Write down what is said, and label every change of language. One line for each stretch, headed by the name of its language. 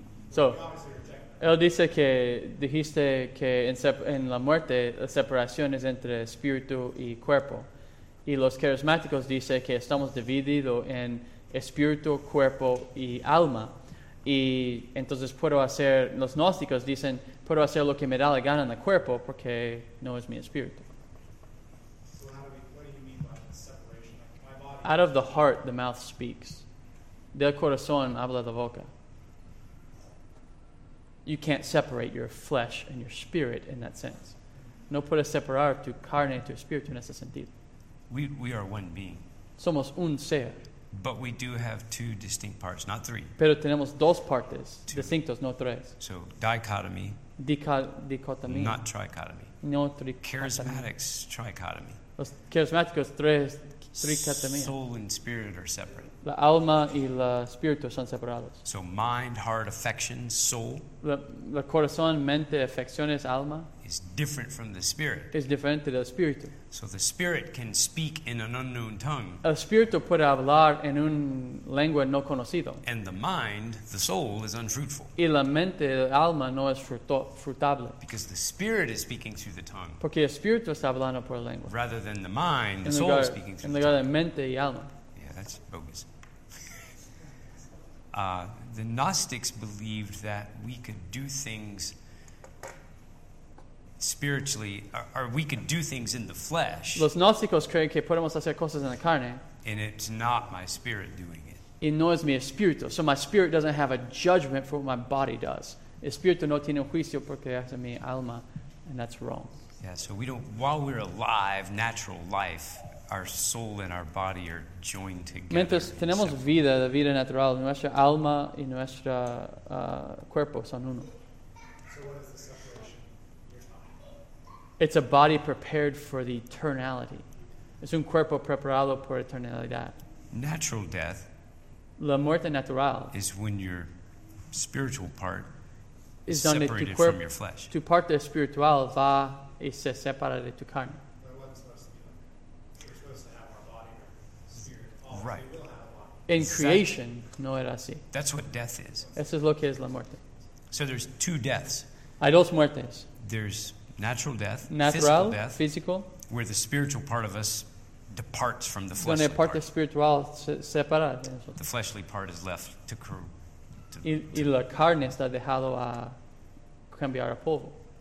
Spanish: So, él dice que dijiste que en la muerte la separación es entre espíritu y cuerpo. Y los carismáticos dicen que estamos divididos en espíritu, cuerpo y alma. Y entonces los gnósticos dicen, puedo hacer lo que me da la gana en el cuerpo porque no es mi espíritu.
English: So, what do you mean by separation? Like my body? Out of the heart, the mouth speaks.
Spanish: Del corazón habla la boca.
English: You can't separate your flesh and your spirit in that sense.
Spanish: No puedes separar tu carne y tu espíritu en ese sentido.
English: We are one being.
Spanish: Somos un ser.
English: But we do have two distinct parts, not three.
Spanish: Pero tenemos dos partes distintos, no tres.
English: So dichotomy.
Spanish: Dicotomía.
English: Not trichotomy.
Spanish: No trichotomy.
English: Charismatics, trichotomy.
Spanish: Los carismáticos, trichotomía.
English: Soul and spirit are separate.
Spanish: La alma y el espíritu son separados.
English: So mind, heart, affections, soul.
Spanish: La corazón, mente, afecciones, alma.
English: Is different from the spirit.
Spanish: Es diferente del espíritu.
English: So the spirit can speak in an unknown tongue.
Spanish: El espíritu puede hablar en un lengua no conocido.
English: And the mind, the soul, is unfruitful.
Spanish: Y la mente, el alma, no es frutable.
English: Because the spirit is speaking through the tongue.
Spanish: Porque el espíritu está hablando por la lengua.
English: Rather than the mind, the soul is speaking through the tongue.
Spanish: En lugar de mente y alma.
English: That's bogus. The Gnostics believed that we could do things spiritually, or we could do things in the flesh.
Spanish: Los gnósticos creen que podemos hacer cosas en la carne.
English: And it's not my spirit doing it.
Spanish: Y no es mi espíritu.
English: So my spirit doesn't have a judgment for what my body does.
Spanish: El espíritu no tiene un juicio porque hace mi alma,
English: and that's wrong. Yeah, so we don't, while we're alive, natural life, our soul and our body are joined together.
Spanish: Mientras tenemos vida, la vida natural, nuestra alma y nuestro cuerpo son uno.
English: So what is the separation? It's a body prepared for the eternality.
Spanish: Es un cuerpo preparado por eternidad.
English: Natural death.
Spanish: La muerte natural.
English: Is when your spiritual part is separated from your flesh.
Spanish: Tu parte espiritual va y se separa de tu carne.
English: Right. In creation,
Spanish: no era así.
English: That's what death is.
Spanish: Eso es lo que es la muerte.
English: So there's two deaths.
Spanish: Hay dos muertes.
English: There's natural death,
Spanish: natural,
English: physical death, physical, where the spiritual part of us departs from the fleshly
Spanish: cuando
English: part.
Spanish: Espiritual separa de
English: the fleshly part is left to crew.
Spanish: Y la carne está dejado a cambiar a polvo.